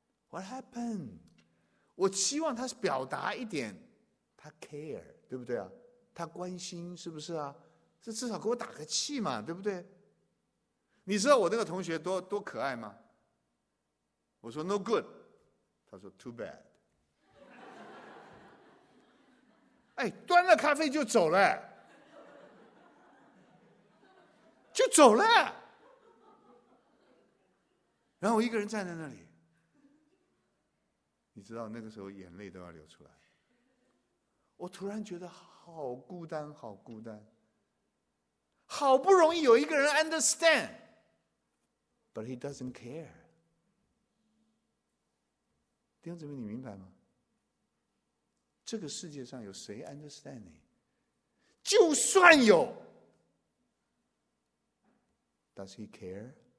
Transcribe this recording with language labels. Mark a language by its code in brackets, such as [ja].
[en] What happened？ [zh] 我希望他表达一点他 care， 对不对啊？他关心是不是啊？这至少给我打个气嘛，对不对？你知道我那个同学多可爱吗？我说 no good，他说 too bad。哎，端了咖啡就走了，就走了，然后我一个人站在那里，你知道那个时候眼泪都要流出来，我突然觉得好孤单，好孤单，好不容易有一个人 understand， but he doesn't care。弟兄姊妹，你明白吗？这个世界上有谁 understand 你？ [en] 就算有，Does he care？